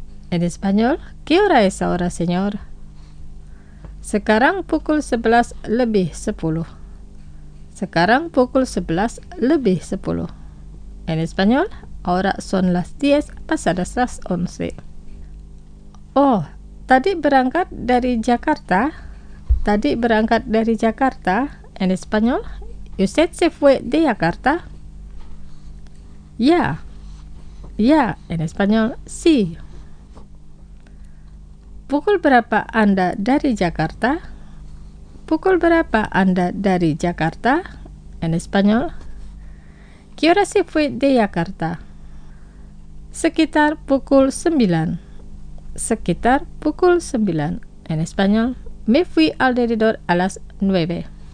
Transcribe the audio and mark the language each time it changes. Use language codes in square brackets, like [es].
[es] En español, ¿qué hora es ahora, señor? [id] Sekarang pukul 11 lebih 10. Sekarang pukul 11 lebih 10. [es] En español, ahora son las 10 pasadas las 11. [id] Oh, tadi berangkat dari Jakarta. Tadi berangkat dari Jakarta. [es] En español, ¿usted se fue de Jakarta? [id] Ya. Ya, [es] en español, sí. [id] Pukul berapa Anda dari Jakarta? Pukul berapa Anda dari Jakarta? [es] En español, ¿qué hora se fue de Jakarta? [id] Sekitar pukul 9. Sekitar pukul 9. [es] En español, me fui al alrededor a las 9.